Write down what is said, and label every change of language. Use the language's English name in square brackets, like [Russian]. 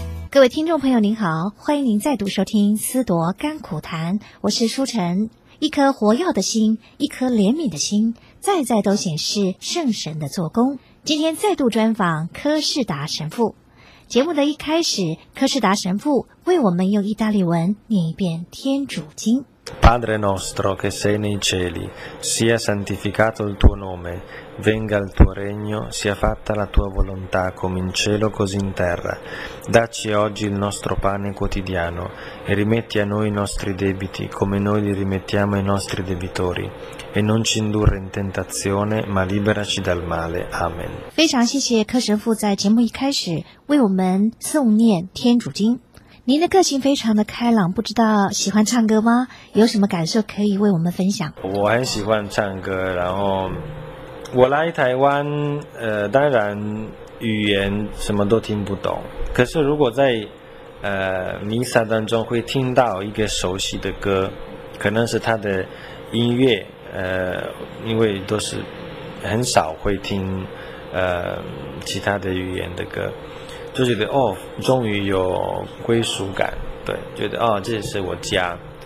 [Chinese] 各位听众朋友您好，欢迎您再度收听思铎甘苦谈，我是舒晨。一颗活跃的心，一颗怜悯的心，再再都显示圣神的作工。今天再度专访柯士达神父。节目的一开始，柯士达神父为我们用意大利文念一遍天主经。 [Italian] Padre nostro che sei nei cieli, sia santificato il tuo nome, venga il tuo regno, sia fatta la tua volontà come in cielo così in terra. Dacci oggi il nostro pane quotidiano e rimetti a noi i nostri debiti come noi li rimettiamo ai nostri debitori. E non ci indurre in tentazione, ma liberaci dal male. Amen. [Chinese] 非常谢谢柯神父在节目一开始为我们诵念天主经。您的个性非常的开朗，不知道喜欢唱歌吗？有什么感受可以为我们分享？我很喜欢唱歌，然后我来台湾，当然语言什么都听不懂，可是如果在弥撒当中会听到一个熟悉的歌，可能是他的音乐，因为都是很少会听其他的语言的歌，就觉得哦，终于有归属感，对，觉得哦，这是我家，